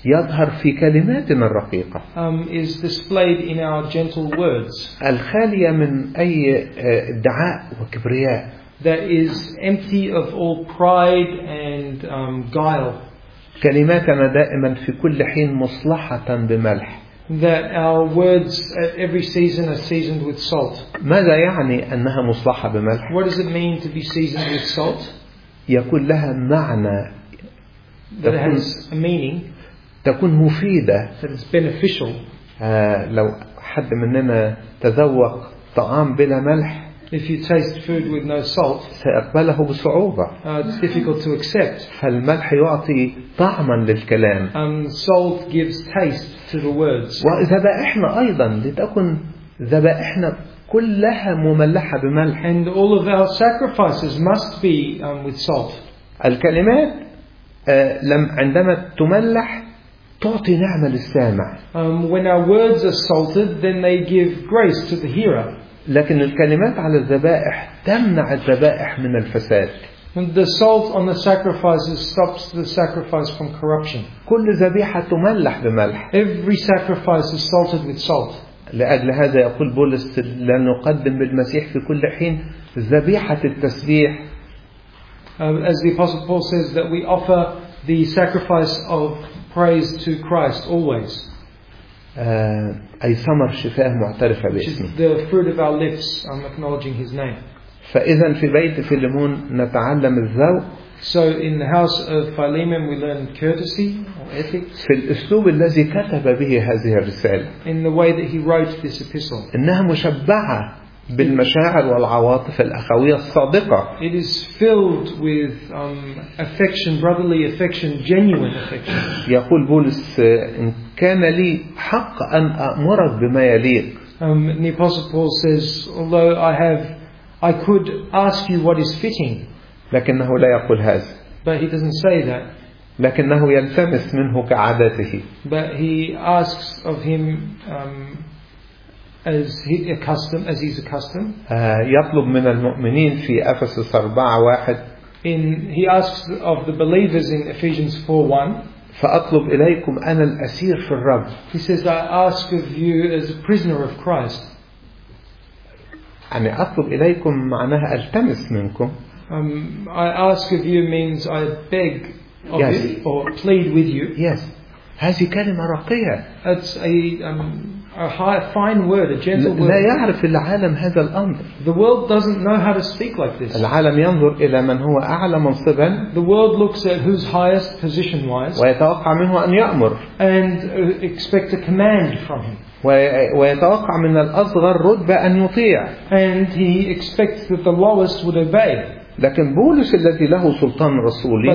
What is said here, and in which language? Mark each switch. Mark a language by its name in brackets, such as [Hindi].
[Arabic] يظهر في كلماتنا الرقيقة. [English] Is displayed in our gentle words. [Arabic] الخالية من أي دعاء وكبرياء. [English] That is empty of all pride and guile. [Arabic] كلماتنا دائما في كل حين مصلحة بملح. [English] That our words at every season are seasoned with salt. [Arabic] ماذا يعني أنها مصلحة بملح؟ [English] What does it mean to be seasoned with salt? [Arabic] يكون لها معنى. [English] That it has a meaning. [Arabic] تكون مفيدة. [English] That it's beneficial. [Arabic] لو حد مننا تذوق طعام بلا ملح. [English] If you taste food with no salt. [Arabic] سيقبله بصعوبة. [English] It's difficult to accept. [Arabic] فالملح يعطي طعما للكلام. [English] Salt gives taste to the words. [Arabic] وذبائحنا أيضا لتكن ذبائحنا كلها مملحة بملح. [English] And all of our sacrifices must be with salt. [Arabic] الكلمات. عندما تملح تعطي نعمة للسامع. [English] When our words are salted, then they give grace to the hearer. [Arabic] لكن الكلمات على الذبائح تمنع الذبائح من الفساد. [English] The salt on the sacrifices stops the sacrifice from corruption. [Arabic] كل ذبيحة تملح بملح. [English] Every sacrifice is salted with salt. [Arabic] لأجل هذا يقول بولس لأن نقدم بالمسيح في كل حين ذبيحة التسبيح. [English] As the Apostle Paul says, that we offer the sacrifice of praise to Christ always. [Arabic] أي ثمر شفاه معترفة باسمه. [English] The fruit of our lips, I'm acknowledging His name. [Arabic] فإذا في بيت فيلمون نتعلم الذوق. [English] So in the house of Philemon, we learn courtesy or ethics. [Arabic] في الأسلوب الذي كتب به هذه الرسالة. [English] In the way that he wrote this epistle. [Arabic] إنها مشبعة. بالمشاعر والعواطف الأخوية الصادقة. [English] It is filled with affection, brotherly affection, genuine affection. [Arabic] يقول بولس إن كان لي حق أن أمرك بما يليق. [English] The Apostle Paul says, although I could ask you what is fitting. [Arabic] لكنه لا يقول هذا. [English] But he doesn't say that. [Arabic] لكنه يلتمس منه كعادته. [English] But he asks of him. As he's accustomed. [Arabic] يطلب من المؤمنين في أفسس 4:1. [English] He asks of the believers in Ephesians 4:1. [Arabic] فأطلب إليكم أنا الأسير في الرب. [English] He says, I ask of you as a prisoner of Christ. [Arabic] يعني أطلب إليكم معناها ألتمس منكم. [English] I ask of you means I beg of yes. you or plead with you. [Arabic] Yes. هذه كلمة رقية. [English] That's a high, fine word, a gentle word. [Arabic] لا يعرف العالم هذا الأمر. [English] The world doesn't know how to speak like this. [Arabic] العالم ينظر إلى من هو أعلى منصبا. [English] The world looks at who's highest position wise. [Arabic] ويتوقع منه أن يأمر. [English] And expect a command from him. [Arabic] ويتوقع من الأصغر رتبة أن يطيع. [English] And he expects that the lowest would obey. [Arabic] لكن بولس الذي له سلطان رسولي.